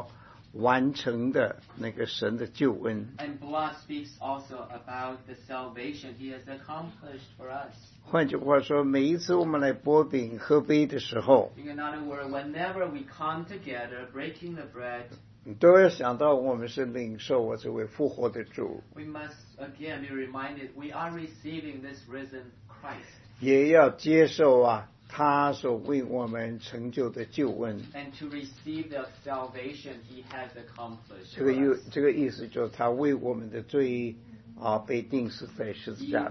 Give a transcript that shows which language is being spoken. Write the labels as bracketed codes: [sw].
[zh] 你讲到血，就是他所完成的那个神的救恩。 [en] And blood speaks also about the salvation he has accomplished for us. [zh] 换句话说，每一次我们来擘饼喝杯的时候， [en] In other words, whenever we come together breaking the bread, [zh] 都要想到我们是领受我这位复活的主。 [en] We must again be reminded we are receiving this risen Christ. [zh] 也要接受他所为我们成就的救恩。 [en] And to receive the salvation he has accomplished. [zh] 这个意思就是他为我们的罪被钉死在十字架上。